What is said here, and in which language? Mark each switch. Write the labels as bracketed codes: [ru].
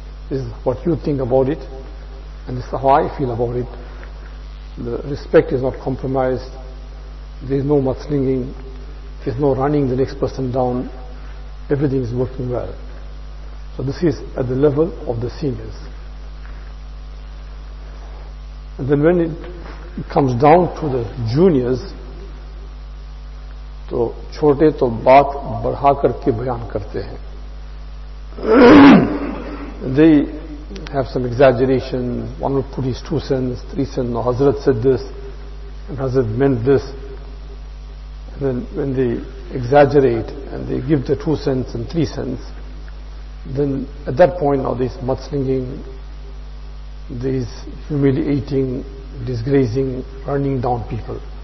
[en] This is what you think about it, and this is how I feel about it. The respect is not compromised, there is no mudslinging, there is no running the next person down, everything is working well. So this is at the level of the seniors. And then when it comes down to the juniors, [ur] تو چھوٹے تو بات بڑھا کر کے بیان کرتے ہیں. [en] They have some exaggeration. One would put his two cents, three cents, no, Hazrat said this, and Hazrat meant this. And then when they exaggerate and they give the two cents and three cents, then at that point now there is mudslinging, there is humiliating, disgracing, running down people.